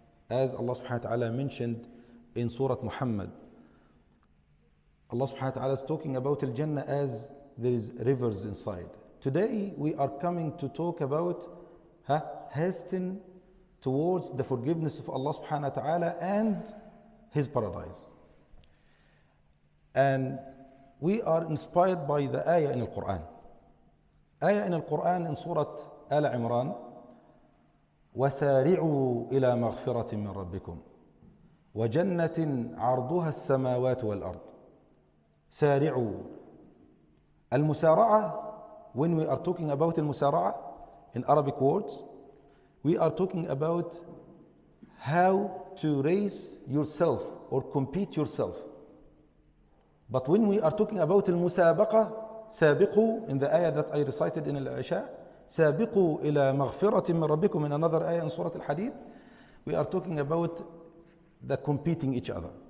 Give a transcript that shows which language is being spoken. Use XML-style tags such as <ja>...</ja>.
<en>As Allah subhanahu wa ta'ala mentioned in Surah Muhammad, Allah subhanahu wa ta'ala is talking about al-Jannah as there is rivers inside. Today we are coming to talk about hasten towards the forgiveness of Allah subhanahu wa ta'ala and His paradise. And we are inspired by the ayah in al-Qur'an. Ayah in al-Qur'an in Surah Al-Imran,</en> <ar>وَسَارِعُوا إِلَى مَغْفِرَةٍ مِّن رَبِّكُمْ وَجَنَّةٍ عَرْضُهَا السَّمَاوَاتُ وَالْأَرْضِ. سَارِعُوا.</ar> <en>Al-Musara'ah, when we are talking about al-Musara'ah, in Arabic words, we are talking about how to raise yourself or compete yourself. But when we are talking about al-Musabaqah, سَابِقُوا, in the ayah that I recited in al-Isha,</en> <ar>سابقوا إلى مغفرة من ربكم,</ar> <en>in another ayah in Surah Al-Hadid, we are talking about the competing each other.</en>